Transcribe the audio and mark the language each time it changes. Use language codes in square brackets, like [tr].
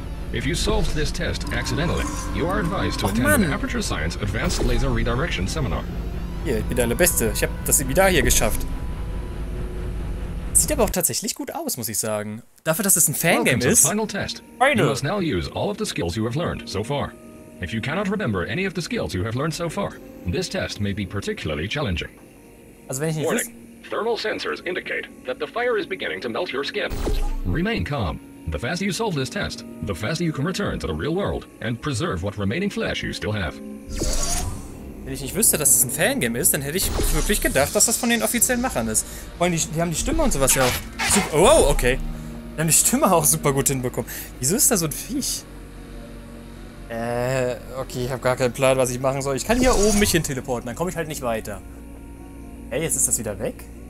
[en] If you solved this test accidentally, you are advised to attend the Aperture Science Advanced Laser Redirection Seminar. [de] Hier, ich bin der Allerbeste. Ich hab das wieder hier geschafft. Sieht aber auch tatsächlich gut aus, muss ich sagen. Dafür, dass es ein Fangame ist. [en] Final test. You must now use all of the skills you have learned so far. If you cannot remember any of the skills you have learned so far, this test may be particularly challenging. [de] Also wenn ich nicht [en] Warning. Thermal sensors indicate that the fire is beginning to melt your skin. Remain calm. The faster you solve this test, the faster you can return to the real world and preserve what remaining flesh you still have. [de] Wenn ich nicht wüsste, dass es ein Fangame ist, dann hätte ich wirklich gedacht, dass das von den offiziellen Machern ist. Wollen die, die haben die Stimme und sowas ja auch super. Oh, okay. Die haben die Stimme auch super gut hinbekommen. Wieso ist da so ein Viech? Okay, ich habe gar keinen Plan, was ich machen soll. Ich kann hier oben mich hin teleporten, dann komme ich halt nicht weiter. Ey, jetzt ist das wieder weg?